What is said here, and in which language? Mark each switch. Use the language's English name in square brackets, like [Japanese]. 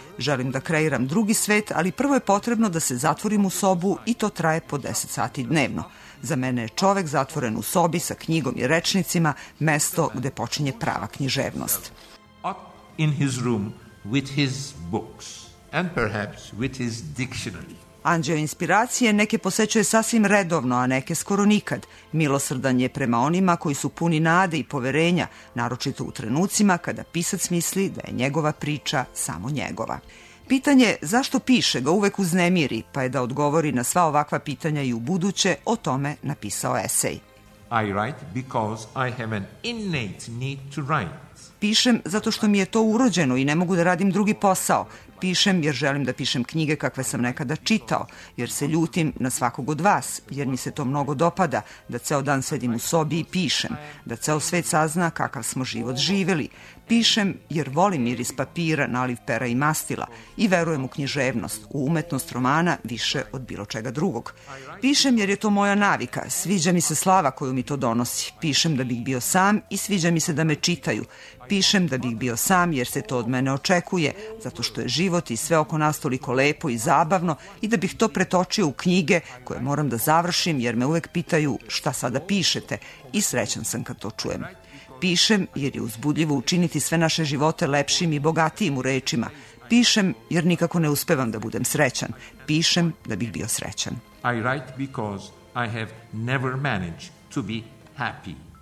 [Serbian] Želim da kreiram drugi svet, ali prvo je potrebno da se zatvorim u sobu i to traje po 10 sati dnevno. Za mene je čovek zatvoren u sobi sa knjigom i rečnicima mesto gde počinje prava književnost. [English] Up in his room with his books and perhaps with his dictionary. [Serbian] Anđeo inspiracije neke posećuje sasvim redovno, a neke skoro nikad. Milosrdan je prema onima koji su puni nade i poverenja, naročito u trenucima kada pisac misli da je njegova priča samo njegova. Pitanje zašto piše ga uvek uznemiri, pa je da odgovori na sva ovakva pitanja i u buduće, o tome napisao esej. [English] I write because I have an innate need to write. [Serbian] Pišem zato što mi je to urođeno i ne mogu da radim drugi posao. Pišem jer želim da pišem knjige kakve sam nekada čitao, jer se ljutim na svakog od vas, jer mi se to mnogo dopada, da ceo dan sedim u sobi i pišem, da ceo svet sazna kakav smo život živeli. Pišem jer volim miris papira, naliv pera i mastila i verujem u književnost, u umetnost romana više od bilo čega drugog. Pišem jer je to moja navika, sviđa mi se slava koju mi to donosi. Pišem da bih bio sam i sviđa mi se da me čitaju. Pišem da bih bio sam jer se to od mene očekuje, zato što je život i sve oko nas toliko lepo i zabavno i da bih to pretočio u knjige koje moram da završim jer me uvek pitaju šta sada pišete i srećan sam kad to čujem. Pišem jer je uzbudljivo učiniti sve naše živote lepšim i bogatijim u rečima. Pišem jer nikako ne uspevam da budem srećan. Pišem da bih bio srećan. [English] I write because I have never managed to be happy.